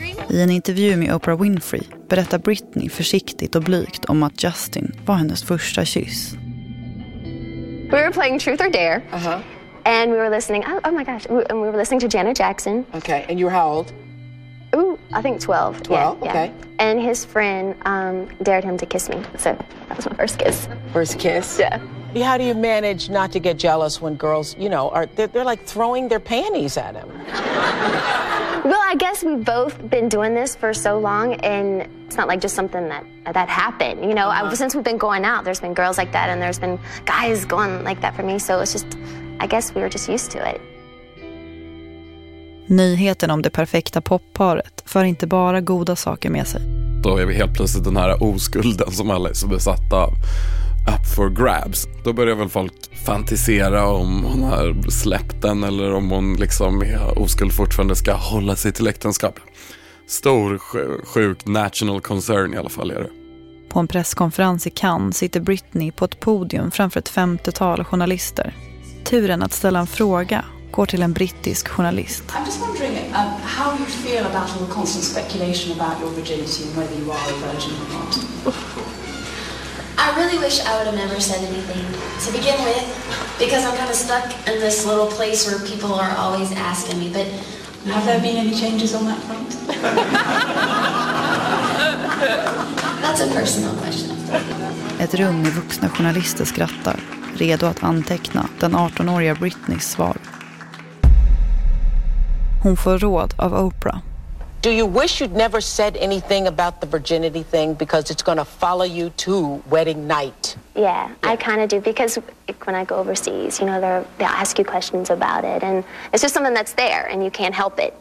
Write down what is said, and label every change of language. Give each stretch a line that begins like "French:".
Swedish: I en intervju med Oprah Winfrey berättar Britney försiktigt och blygt om att Justin var hennes första kyss.
English: We were playing Truth or Dare. Uh-huh. And we were listening. Oh my gosh. And we were listening to Janet Jackson. Okay. And you were how old? Ooh, I think 12. 12? Yeah, okay. Yeah. And his friend dared him to kiss me. So that was my first kiss. First kiss? Yeah. How do you manage not to get jealous when girls, you know, are they're like throwing their panties at him? Well, I guess we've both been doing this for so long, and it's not like just something that happened. You know, uh-huh. Since we've been going out, there's been girls like that, and there's been guys going like that for me. So it's just, I guess we were just used to it.
Swedish: Nyheten om det perfekta popparet för inte bara goda saker med sig. Då är vi helt plötsligt den här oskulden som alla är så besatta av.
English: Up for grabs.
Swedish: Då börjar väl folk fantisera om hon har släppt den eller om hon liksom är oskuld fortfarande ska hålla sig till äktenskap. Stor, sjuk
English: national concern
Swedish: i alla fall är det. På en presskonferens i Cannes sitter Britney på ett podium framför ett 50-tal journalister. Turen att ställa en fråga går till en brittisk journalist.
English: I'm just wondering how you feel about all the constant speculation about your virginity and whether you are a virgin or not. I really wish I would have never said anything to begin with, because I'm kind of stuck in this little place where people are always asking me, but have there been any changes on that front? That's a personal question.
Swedish: Ett rum med vuxna journalister skrattar, redo att anteckna den 18-åriga Britneys svar. Hon får råd av Oprah.
English: Do you wish you'd never said anything about the virginity thing because it's going to follow you to wedding night? Yeah, I kind of do because when I go overseas, you know, they'll ask you questions about it and it's just something that's there and you can't help it.